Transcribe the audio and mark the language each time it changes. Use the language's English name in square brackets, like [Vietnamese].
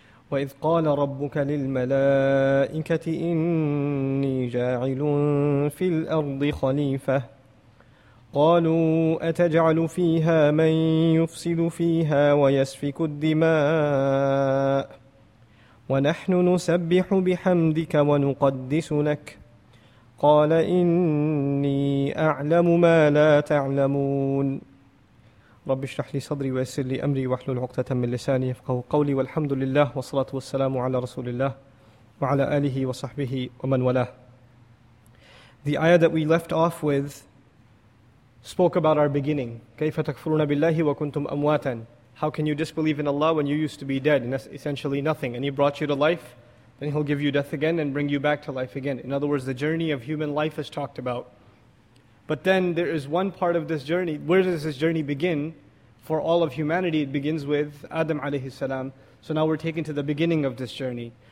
[Arabic] وإذ قال ربك للملائكة إني جاعل في الأرض خليفة، قالوا أتجعل فيها من يفسد فيها ويسفك الدماء ونحن نسبح بحمدك ونقدس لك، قال إني أعلم ما لا تعلمون. رب اشرح لي صدري ويسر لي أمري واحلل عقدة من لساني يفقهوا قولي. والحمد لله والصلاة والسلام على رسول الله وعلى آله وصحبه ومن والاه. [English] The ayah that we left off with spoke about our beginning. [Arabic] كيف تكفرون بالله وكنتم أمواتا. [English] How can you disbelieve in Allah when you used to be dead and essentially nothing, and He brought you to life? Then He'll give you death again and bring you back to life again. In other words, the journey of human life is talked about. But then there is one part of this journey. Where does this journey begin? For all of humanity, it begins with Adam alayhi salam. So now we're taken to the beginning of this journey.